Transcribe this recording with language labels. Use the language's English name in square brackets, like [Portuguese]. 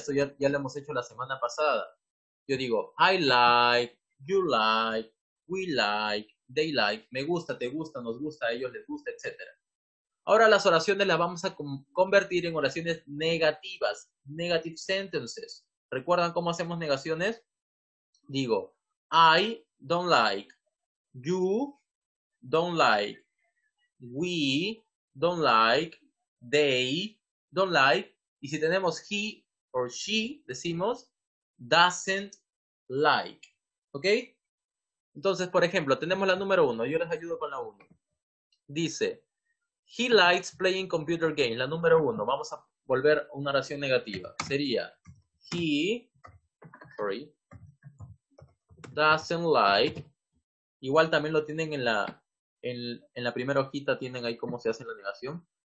[Spanish] Esto ya lo hemos hecho la semana pasada. Yo digo, [English] I like, you like, we like, they like, [Spanish] me gusta, te gusta, nos gusta, a ellos les gusta, etc. Ahora las oraciones las vamos a convertir en oraciones negativas, negative sentences. ¿Recuerdan cómo hacemos negaciones? Digo, [English] I don't like, you don't like, [Spanish] we don't like, they don't like, y si tenemos he or she, decimos doesn't like, ¿ok? Entonces, por ejemplo, tenemos la número 1, yo les ayudo con la 1. Dice, [English] he likes playing computer games, [Spanish] la número 1, vamos a volver a una oración negativa. Sería, [English] he doesn't like, [Spanish] igual también lo tienen en la primera hojita, tienen ahí cómo se hace la negación.